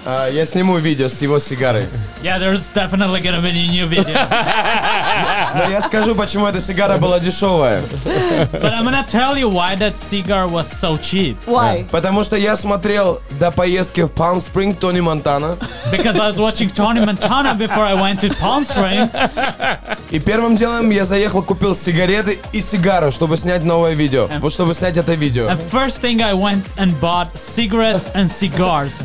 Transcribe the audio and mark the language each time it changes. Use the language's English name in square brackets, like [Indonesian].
[Russian] Я сниму видео с его сигарой. [English] Yeah, there's definitely gonna be a new video. [Russian] Но я скажу, почему эта сигара была дешевая. [English] But I'm gonna tell you why that cigar was so cheap. Why? [Russian] Потому что я смотрел до поездки в Palm Springs Тони Монтана. [English] Because I was watching Tony Montana before I went to Palm Springs. [Russian] И первым делом я заехал, купил сигареты и сигару, чтобы снять новое видео. Вот чтобы снять это видео. [English] The first thing I went and bought cigarettes and cigars.